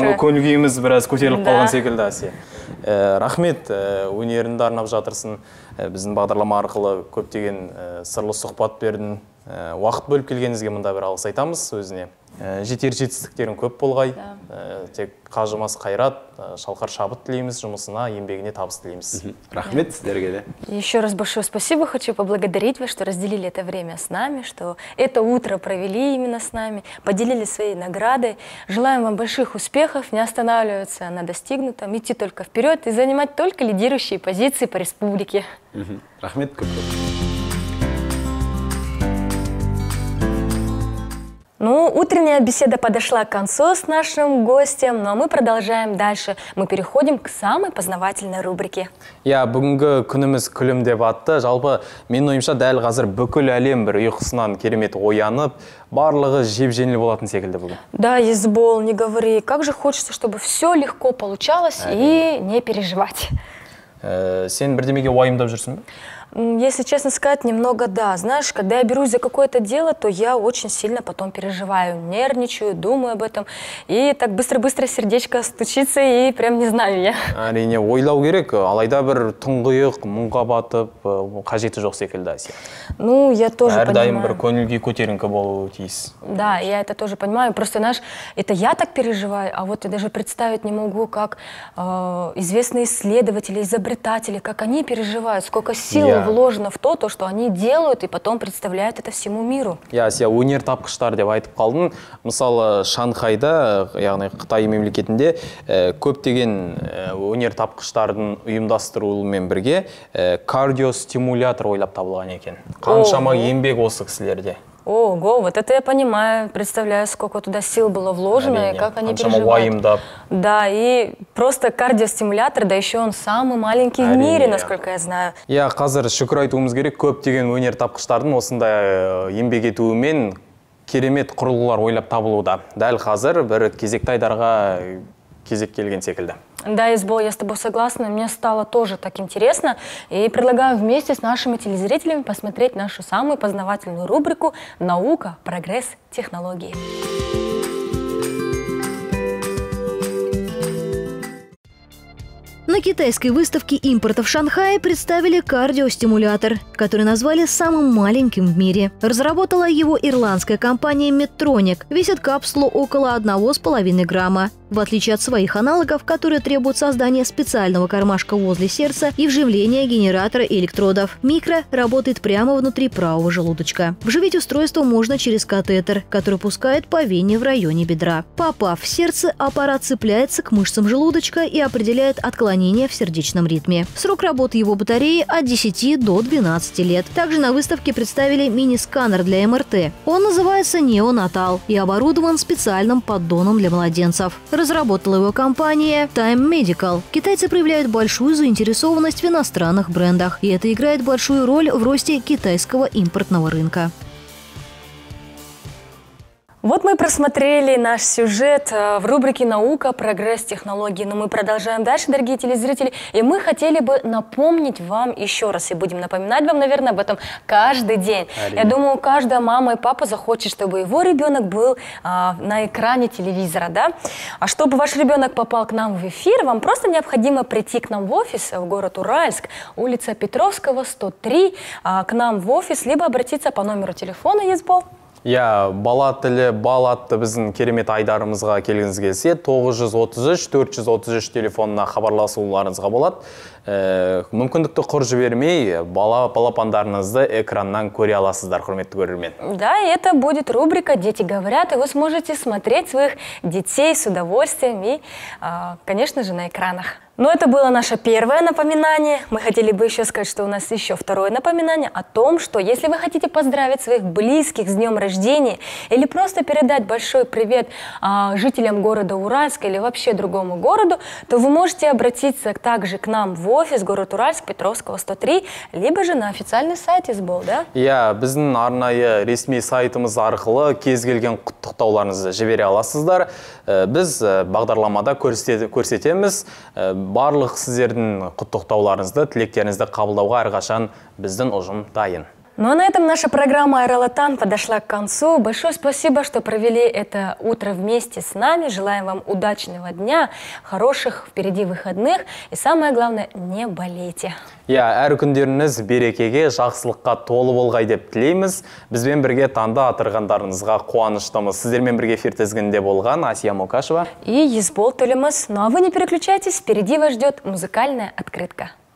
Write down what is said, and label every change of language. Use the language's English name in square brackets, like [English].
[Kazakh] Таңғы көңіл-күйіміз біраз көтеріліп қалған секілді, Асия. Рахмет, өнеріңді арнап жатырсың. Біздің бағдарлама арқылы көптеген сырлы сұхбат бердің. Уақыт бөліп келгеніңізге мында бір алғыс айтамыз өзіне. Жетер жетістіктерің көп болғай. Тек қажымас қайрат, шалқар шабыт тілейміз, жұмысына, еңбегіне табыс тілейміз. Рахмет сіздерге де. [Russian] Еще раз большое спасибо. Хочу поблагодарить вас, что разделили это время с нами, что это утро провели именно с нами, поделили свои награды. Желаем вам больших успехов, не останавливаться на достигнутом, идти только вперед и занимать только лидирующие позиции по республике. [Kazakh] Рахмет көп болғай. [Russian] Ну, утренняя беседа подошла к концу с нашим гостем, но мы продолжаем дальше. Мы переходим к самой познавательной рубрике. [Kazakh] Я бүгінгі күніміз күлім деп атты. Жалпы, менің ойымша дәл қазір бүкіл әлем бір ұйқысынан керемет оянып, барлығы жеп-жеңіл болатын секілді бүгін. [Russian] Да, Есбол, не говори. Как же хочется, чтобы все легко получалось и не переживать. [Kazakh] Сен бірдемеге уайымдап жүрсің? [Russian] Если честно сказать, немного да. Знаешь, когда я берусь за какое-то дело, то я очень сильно потом переживаю, нервничаю, думаю об этом. И так быстро-быстро сердечко стучится, и прям не знаю я. [Kazakh] Әрине, ойлау керек, алайда бір тұңғиық, мұңға батып, қажеті жоқ секілді, Ася. [Russian] Ну, я тоже понимаю. [Kazakh] Әрдайым бір көңілге көтеріңкі болу тиіс. [Russian] Да, я это тоже понимаю. Просто, знаешь, это я так переживаю, а вот я даже представить не могу, как известные исследователи, изобретатели, как они переживают, сколько сил вложено в то, что они делают, и потом представляют это всему миру. [Kazakh] Ася, өнер тапқыштар деп айтып қалдың. Мысалы, Шанхайда, яғни Қытай мемлекетінде, көптеген өнер тапқыштардың ұйымдастырылуымен бірге кардиостимулятор ойлап табылған екен. Қаншама еңбек осы кісілерде. [Russian] Ого, вот это я понимаю, представляю, сколько туда сил было вложено, и как они переживают. Да, и просто кардиостимулятор, да еще он самый маленький в мире, насколько я знаю. [Kazakh] Я қазір шүкір айтуымыз керек, көптеген өнер тапқыштардың осында еңбек етуімен керемет құрылғылар ойлап табылуда. Дәл қазір бір кезекті айдарға кезек келген секілді. [Russian] Да, Избол, я с тобой согласна. Мне стало тоже так интересно. И предлагаю вместе с нашими телезрителями посмотреть нашу самую познавательную рубрику «Наука, прогресс, технологии». На китайской выставке импорта в Шанхае представили кардиостимулятор, который назвали самым маленьким в мире. Разработала его ирландская компания Medtronic. Весит капсулу около 1,5 грамма. В отличие от своих аналогов, которые требуют создания специального кармашка возле сердца и вживления генератора электродов, микро работает прямо внутри правого желудочка. Вживить устройство можно через катетер, который пускает по вене в районе бедра. Попав в сердце, аппарат цепляется к мышцам желудочка и определяет отклонение в сердечном ритме. Срок работы его батареи от 10 до 12 лет. Также на выставке представили мини-сканер для МРТ. Он называется «Неонатал» и оборудован специальным поддоном для младенцев. Разработала его компания Time Medical. Китайцы проявляют большую заинтересованность в иностранных брендах, и это играет большую роль в росте китайского импортного рынка. Вот мы просмотрели наш сюжет в рубрике «Наука, прогресс, технологии». Но мы продолжаем дальше, дорогие телезрители. И мы хотели бы напомнить вам еще раз, и будем напоминать вам, наверное, об этом каждый день. Я думаю, каждая мама и папа захочет, чтобы его ребенок был на экране телевизора, да? А чтобы ваш ребенок попал к нам в эфир, вам просто необходимо прийти к нам в офис в город Уральск, улица Петровского, 103, к нам в офис, либо обратиться по номеру телефона, Есбол. [Kazakh] Я бала тілі, бал атты біздің керемет айдарымызға келгіңіз келсе, 933-433 телефонына хабарласуларыңызға болады. Мүмкіндікті құр жібермей, бала балапандарыңызды экраннан көре аласыздар, құрметті көрермен. [Russian] Да, это будет рубрика «Дети говорят», и вы сможете смотреть своих детей с удовольствием и, конечно же, на экранах. Но это было наше первое напоминание. Мы хотели бы еще сказать, что у нас еще второе напоминание о том, что если вы хотите поздравить своих близких с днем рождения или просто передать большой привет жителям города Уральска или вообще другому городу, то вы можете обратиться также к нам в офис город Уральск, Петровского, 103, либо же на официальный сайт Избол, да? [Kazakh] Я, біздің арнайы ресми сайтымыз арқылы кез келген құттықтауларыңызды жібере аласыздар. Біз бағдарламада көрсетеміз. Барлық сіздердің құттықтауларыңызды, тілектеріңізді қабылдауға әрқашан біздің ұжым дайын. [Russian] Ну а на этом наша программа «Айрал Атан» подошла к концу. Большое спасибо, что провели это утро вместе с нами. Желаем вам удачного дня, хороших впереди выходных и, самое главное, не болейте. [Kazakh] Я, әр күндеріңіз берекеге, жақсылыққа толы болғай деп тілейміз. Бізбен бірге таңда атырғандарыңызға қуаныштымыз. Сіздермен бірге эфир тізгінде болған Асия Мукашева. [Russian] И Есбол Төліміз. Ну а вы не переключайтесь, впереди вас ждет музыкальная открытка.